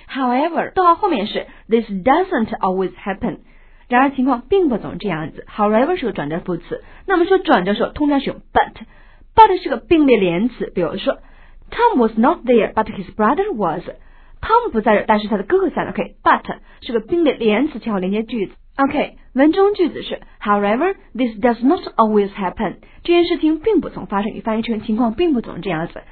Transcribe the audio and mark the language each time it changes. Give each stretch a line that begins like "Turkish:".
English: However 逗号后面是 this doesn't always happen，
Chinese: 然而情况并不总这样子。 However 是个转折副词，那么说转折的时候通常是用 but 是个并列连词，比如说
English: Tom was not there but his brother was，
Chinese: Tom 不在这，但是他的哥哥在 ，OK。 But 是个并列连词，前后连接句子。
English: OK，
Chinese: 文中句子是
English: However, this does not always happen.
Chinese: 这件事情并不总发生，与翻译成情况并不总这样子。